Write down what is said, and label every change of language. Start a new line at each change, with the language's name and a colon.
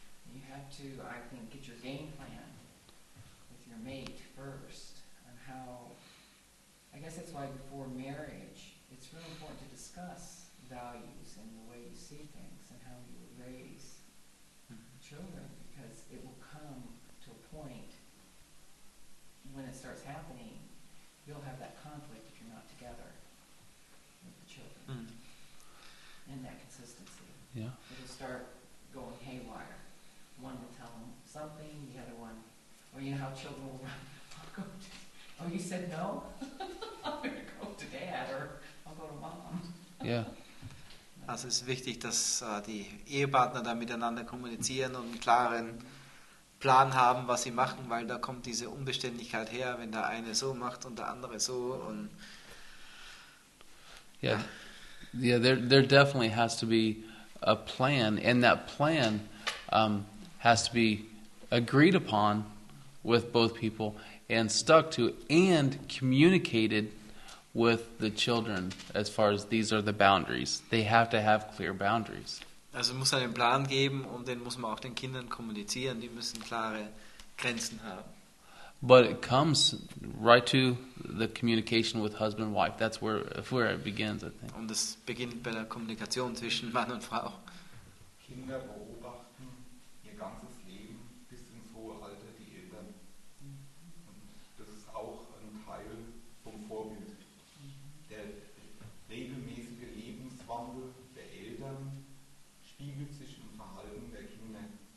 English: You have to, I think, get your game plan with your mate first on how, I guess that's why before marriage, it's really important to discuss values and the way you see things and how you raise children, because it will come to a point when it starts happening, you'll have that conflict if you're not together with the children. Mm. In that consistency. Yeah. It'll start going haywire. One will tell them something, the other one, or you know how children will run, you said no? I'm going to go to dad or I'll go to mom. Yeah.
German: Also es ist wichtig, dass die Ehepartner da miteinander kommunizieren und einen klaren Plan haben, was sie machen, weil da kommt diese Unbeständigkeit her, wenn der eine so macht und der andere so. Und ja.
English: Yeah, there definitely has to be a plan, and that plan has to be agreed upon with both people and stuck to and communicated with the children as far as these are the boundaries. They have to have clear boundaries.
German: Also muss einen Plan geben, und den muss man auch den Kindern kommunizieren. Die müssen klare Grenzen haben.
English: But it comes right to the communication with husband and wife. That's where it begins, I think.
German: Und es beginnt bei der Kommunikation zwischen Mann und Frau. Kinder beobachten ihr ganzes Leben bis ins hohe Alter die Eltern. Und das ist auch ein Teil vom Vorbild. Der regelmäßige Lebenswandel der Eltern spiegelt sich im Verhalten der Kinder.